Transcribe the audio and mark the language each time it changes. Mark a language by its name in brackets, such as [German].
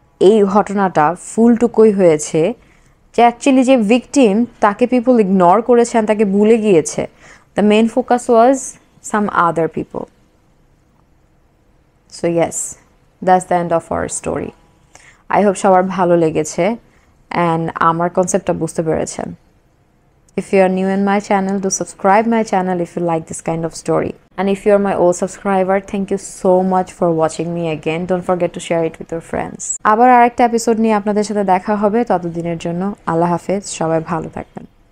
[Bangla] এই ঘটনাটা ফুলটুকুই হয়েছে যে অ্যাকচুয়ালি যে ভিকটিম তাকে পিপল ইগনোর করেছেন, তাকে ভুলে গিয়েছে, [English] The main focus was some other people. So yes, that's the end of our story. I hope [Bangla] সবার ভালো লেগেছে অ্যান্ড আমার কনসেপ্টটা বুঝতে পেরেছেন। [English] If you are new in my channel, do subscribe my channel if you like this kind of story. And if you are my old subscriber, thank you so much for watching me again. Don't forget to share it with your friends. [Bangla] আবার আরেকটা episode নিয়ে আপনাদের সাথে দেখা হবে, ততদিনের জন্য আল্লাহ হাফেজ, সবাই ভালো থাকবেন।